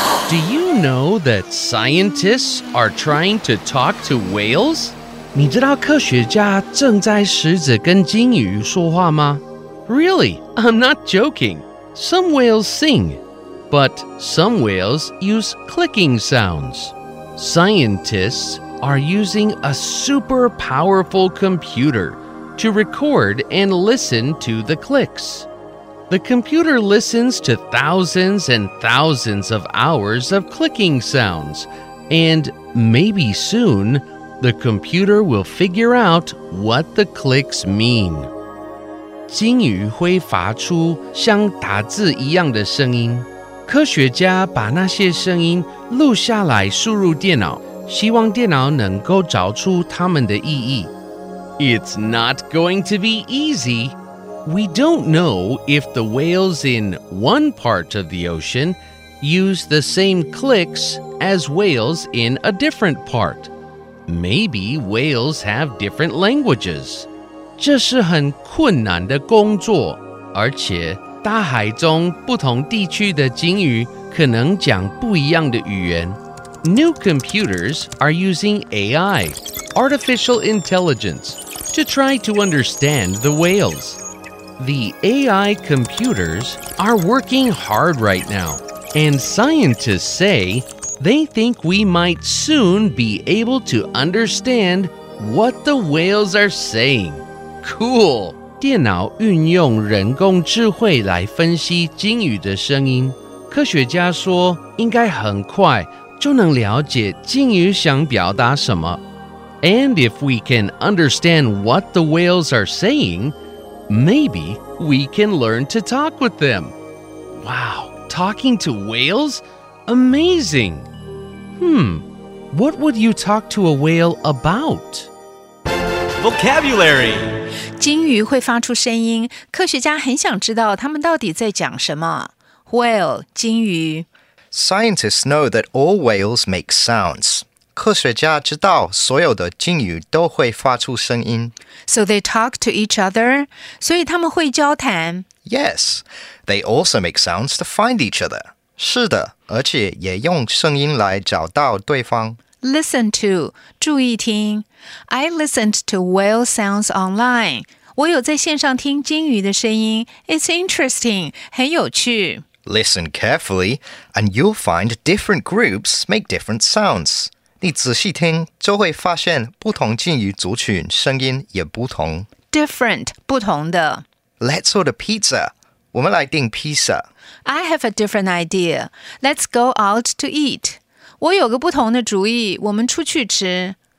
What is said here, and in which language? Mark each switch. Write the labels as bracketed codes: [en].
[en] Do you know that scientists are trying to talk to whales? [zh] 你知道科学家正在试着跟鲸鱼说话吗？ [en] Really? I'm not joking. Some whales sing, but some whales use clicking sounds. Scientists are using a super powerful computer to record and listen to the clicks. The computer listens to thousands and thousands of hours of clicking sounds, and maybe soon, the computer will figure out what the clicks mean. [zh] 鲸鱼会发出像打字一样的声音。科学家把那些声音录下来输入电脑，希望电脑能够找出它们的意义。 [en] It's not going to be easy. We don't know if the whales in one part of the ocean use the same clicks as whales in a different part. Maybe whales have different languages. [zh] 这是很困难的工作，而且大海中不同地区的鲸鱼可能讲不一样的语言。 [en] New computers are using AI, artificial intelligence, to try to understand the whales. The AI computers are working hard right now, and scientists say they think we might soon be able to understand what the whales are saying. Cool! [zh] 电脑运用人工智慧来分析鲸鱼的声音。科学家说应该很快就能了解鲸鱼想表达什么。 [en] And if we can understand what the whales are saying,Maybe we can learn to talk with them. Wow, talking to whales? Amazing! What would you talk to a whale about? Vocabulary! [zh] 鲸鱼会发出声音，科学家很想知道它们到底在讲什么。 [en] Whale, [zh] 鲸鱼。 [en] Scientists know that all whales make sounds. [zh] 科学家知道所有的鲸鱼都会发出声音。 [en] So they talk to each other. [zh] 所以他们会交谈。 [en] Yes, they also make sounds to find each other. [zh] 是的，而且也用声音来找到对方。 [en] Listen to, [zh] 注意听。 [en] I listened to whale sounds online. [zh] 我有在线上听鲸鱼的声音。 [en] It's interesting, [zh] 很有趣。 [en] Listen carefully, and you'll find different groups make different sounds. [zh] 你仔细听，就会发现不同鲸鱼族群声音也不同。 [en] Different, [zh] 不同的。 [en] Let's order pizza. [zh] 我们来订披萨。 [en] I have a different idea. Let's go out to eat. [zh] 我有个不同的主意，我们出去吃。